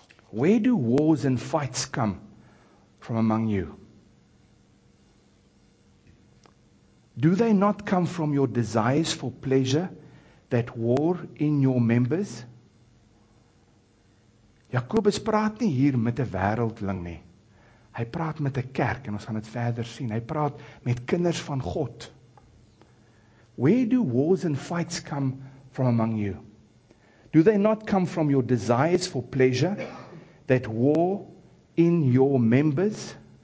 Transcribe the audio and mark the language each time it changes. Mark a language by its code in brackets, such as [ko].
[en] Where do wars and fights come from among you? Do they not come from your desires for pleasure that war in your members? [af] Jakobus praat nie hier met 'n wêreldling nie. Hy praat met 'n kerk en ons gaan dit verder sien. Hy praat met kinders van God. [en] Where do wars and fights come from among you? Do they not come from your desires for pleasure that war in your members?